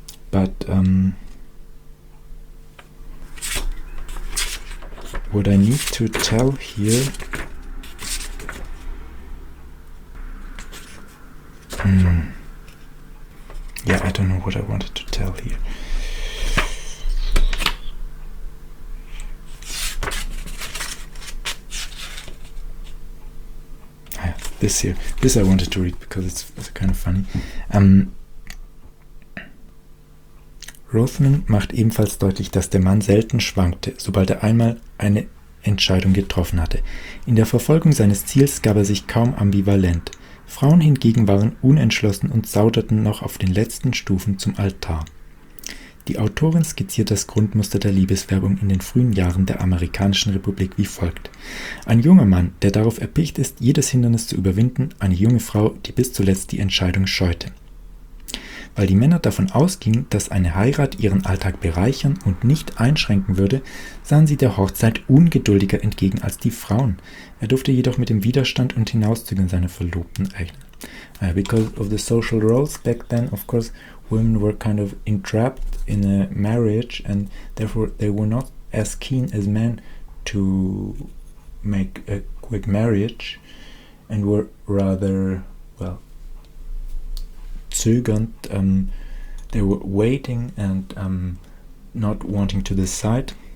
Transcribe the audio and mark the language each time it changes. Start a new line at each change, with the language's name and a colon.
English: But what I need to tell here, I don't know what I wanted to tell here. this here. This I wanted to read because it's kind of funny.
German: Rothman macht ebenfalls deutlich, dass der Mann selten schwankte, sobald er einmal eine Entscheidung getroffen hatte. In der Verfolgung seines Ziels gab er sich kaum ambivalent. Frauen hingegen waren unentschlossen und zauderten noch auf den letzten Stufen zum Altar. Die Autorin skizziert das Grundmuster der Liebeswerbung in den frühen Jahren der amerikanischen Republik wie folgt. Ein junger Mann, der darauf erpicht ist, jedes Hindernis zu überwinden, eine junge Frau, die bis zuletzt die Entscheidung scheute. Weil die Männer davon ausgingen, dass eine Heirat ihren Alltag bereichern und nicht einschränken würde, sahen sie der Hochzeit ungeduldiger entgegen als die Frauen. Er durfte jedoch mit dem Widerstand und Hinauszögern seiner Verlobten rechnen.
English: Because of the social roles back then, of course, women were kind of entrapped in a marriage and therefore they were not as keen as men to make a quick marriage and were rather, well, zögernd, they were waiting and not wanting to decide.